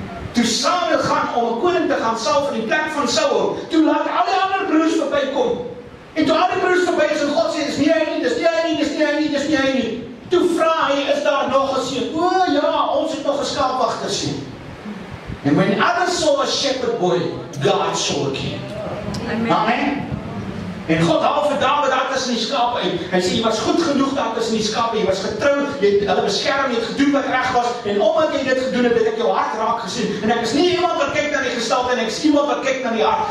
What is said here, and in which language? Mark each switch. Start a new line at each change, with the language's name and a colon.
Afrikaans: Toe Samuel gaan om 'n koning te gaan sal van die plek van Saul, toe laat al die ander broers verby kom. En toe al die broers verby is en God sê, dis nie hy nie. Toe vra hy, is daar nog 'n seun? O ja, ons het nog 'n skaapwagter seun.
English: And when others saw a shepherd boy, God saw a king. Amen.
Afrikaans: En God haal vir David daar tussen die skaap uit. Hy sê, jy was goed genoeg daar tussen die skaap. Jy was getrou, jy het hulle beskerm, jy het gedoen wat reg was. En omdat jy dit gedoen het, het ek jou hart raak gesien. En ek is nie iemand wat kyk na die gestalte, en ek is iemand wat kyk na die hart.